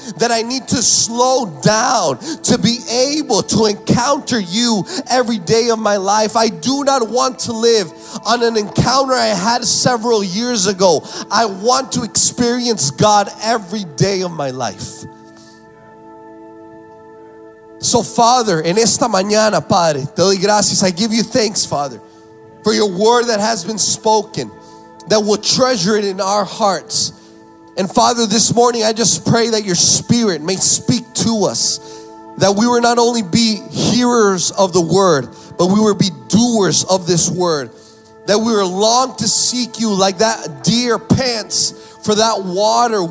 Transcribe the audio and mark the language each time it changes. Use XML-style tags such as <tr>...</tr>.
<en>That I need to slow down to be able to encounter you every day of my life? I do not want to live on an encounter I had several years ago. I want to experience God every day of my life. So Father,</en> <es>en esta mañana, Padre, te doy gracias.</es> <en>I give you thanks, Father, for your word that has been spoken, that will treasure it in our hearts. And Father, this morning I just pray that your Spirit may speak to us, that we will not only be hearers of the word, but we will be doers of this word, that we will long to seek you like that deer pants for that water.</en>